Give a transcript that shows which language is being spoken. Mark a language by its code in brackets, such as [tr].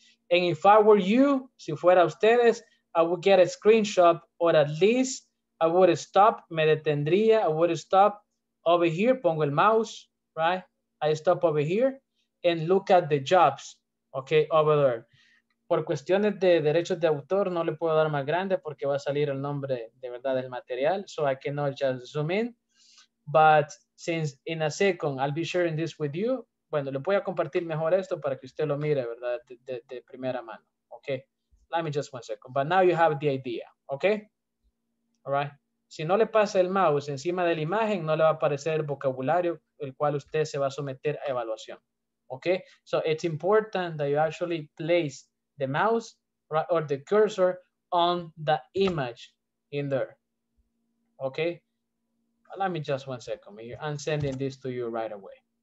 [en] And if I were you, [es] si fuera ustedes, [en] I would get a screenshot or at least I would stop, [es] me detendría, [en] I would stop over here, [es] pongo el mouse, [en] right? I stop over here and look at the jobs, okay, over there. [es] Por cuestiones de derechos de autor, no le puedo dar más grande porque va a salir el nombre de verdad del material, [en] so I cannot just zoom in. But since in a second, I'll be sharing this with you. [es] Bueno, le voy a compartir mejor esto para que usted lo mire, verdad, de primera mano, okay? [en] Let me just 1 second, but now you have the idea, okay? All right. [es] Si no le pasa el mouse encima de la imagen, no le va a aparecer el vocabulario el cual usted se va a someter a evaluación. [en] Okay, so it's important that you actually place the mouse or the cursor on the image in there. Okay, let me just 1 second. I'm sending this to you right away.